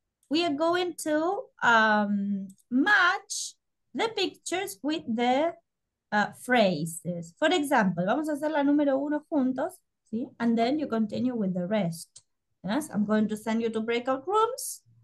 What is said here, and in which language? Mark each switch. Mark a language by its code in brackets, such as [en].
[en] We are going to match the pictures with the phrases. For example, [es] vamos a hacer la número uno juntos, ¿sí? [en] And then you continue with the rest. Yes, I'm going to send you to breakout rooms.